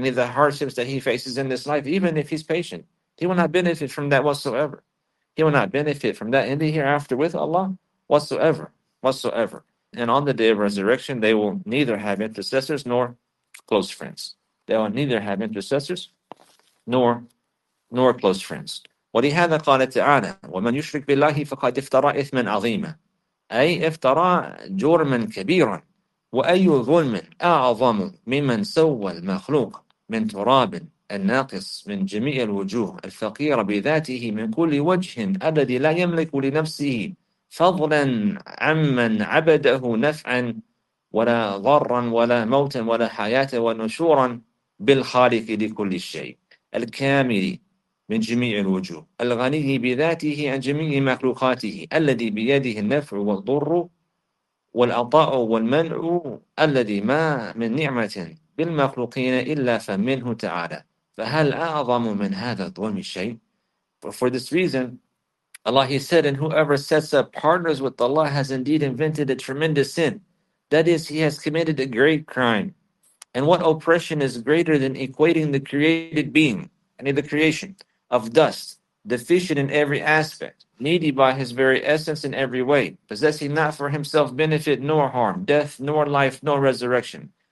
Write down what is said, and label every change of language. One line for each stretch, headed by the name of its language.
English: Any of the hardships that he faces in this life, even if he's patient, he will not benefit from that whatsoever. He will not benefit from that in the hereafter with Allah whatsoever, whatsoever. And on the day of resurrection, they will neither have intercessors nor close friends. They will neither have intercessors nor close friends.
Arabic: وَلِهَذَا قَالَ تَعَانَا وَمَنْ يُشْرِكْ بِاللَّهِ فَقَدْ افْتَرَى إِثْمًا عَظِيمًا أي افترى جرما كبيرا وأي ظلم أعظم ممن سوى المخلوق من تراب الناقص من جميع الوجوه الفقير بذاته من كل وجه الذي لا يملك لنفسه فضلا عمن عبده نفعا ولا ضرا ولا موتا ولا حياة ونشورا بالخالق لكل شيء الكامل من جميع الوجوه الغني بذاته عن جميع مخلوقاته الذي بيده النفع والضر والعطاء والمنع الذي ما من نعمة بالمخلوقين إلا فمنه تعالى فهل أعظم من هذا الظلم الشيء.
English: For this reason, Allah, he said, and whoever sets up partners with Allah has indeed invented a tremendous sin. That is, he has committed a great crime. And what oppression is greater than equating the created being, and the creation, of dust, deficient in every aspect, needy by his very essence in every way, possessing not for himself benefit nor harm, death nor life nor resurrection,